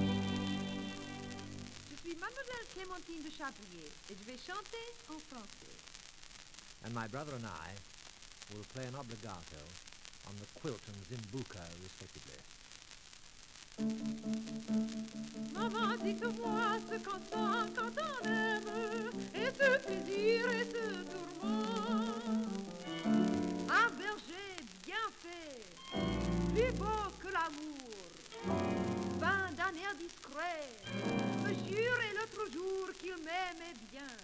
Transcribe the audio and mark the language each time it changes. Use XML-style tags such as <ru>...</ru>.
<fr>Je suis Mademoiselle Clémentine de Chabrier et je vais chanter en français.</fr> <en>And my brother and I will play an obbligato on the quilt and zimbuka, respectively.</en> <fr>Maman, dites-moi ce qu'on sent quand on aime, et ce plaisir et ce tourment. Un berger bien fait, plus beau que l'amour, peint d'un air discret, me jurait l'autre jour qu'il m'aimait bien.</fr>